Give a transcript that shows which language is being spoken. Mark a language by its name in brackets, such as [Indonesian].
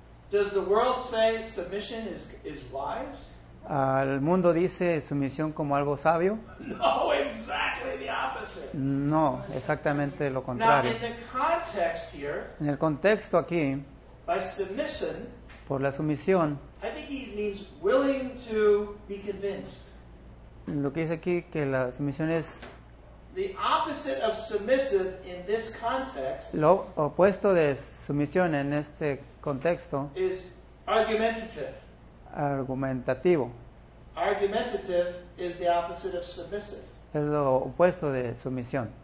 [English] Does the world say submission is wise? [Spanish] ¿El mundo dice sumisión como algo sabio? [English] No, exactly the opposite. [Spanish] No, exactamente lo contrario. [English] Now, in the context here, [Spanish] en el contexto aquí, [English] by submission, [Spanish] por la sumisión, [English] I think he means willing to be convinced. [Spanish] Lo que dice aquí que la sumisión es [English] the opposite of submissive in this context, [Spanish] lo opuesto de sumisión en este contexto [English] is argumentative. [Spanish] Argumentativo. [English] Argumentative is the opposite of submissive. [Spanish] Es lo opuesto de sumisión